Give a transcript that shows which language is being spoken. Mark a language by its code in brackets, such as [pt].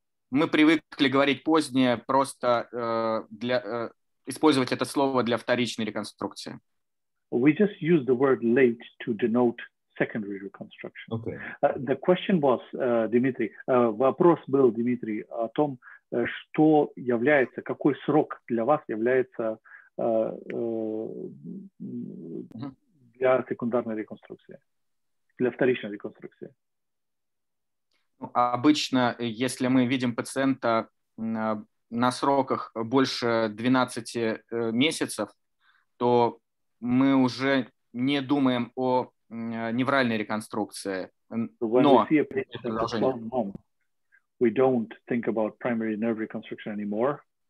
[ru] Мы привыкли говорить позднее, просто использовать это слово для вторичной реконструкции. [en] We just use the word late to denote secondary reconstruction. Okay. The question was, [ru] Dimitri, вопрос был, Dimitri, о том, что является, какой срок для вас является для секундарной реконструкции, для вторичной реконструкции. Обычно, если мы видим пациента на сроках больше 12 месяцев, то мы уже не думаем о невральной реконструкции. [en] So when we see a patient for 12 months, we don't think about primary nerve reconstruction anymore.